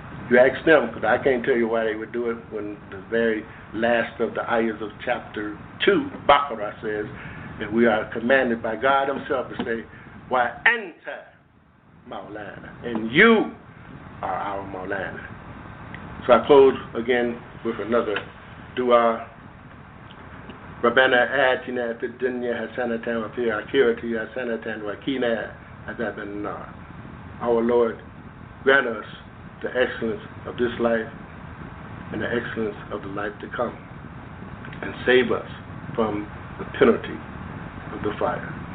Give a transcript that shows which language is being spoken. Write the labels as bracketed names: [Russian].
[English] You ask them, because I can't tell you why they would do it when the very last of the ayahs of chapter 2, Baqarah, says that we are commanded by God himself to say, why enter Maulana, and you are our Maulana. So I close again with another dua. [Arabic] ربنا آتنا في الدنيا حسنة وفي الآخرة حسنة وقنا عذاب النار. [English] Our Lord, grant us the excellence of this life and the excellence of the life to come, and save us from the penalty of the fire.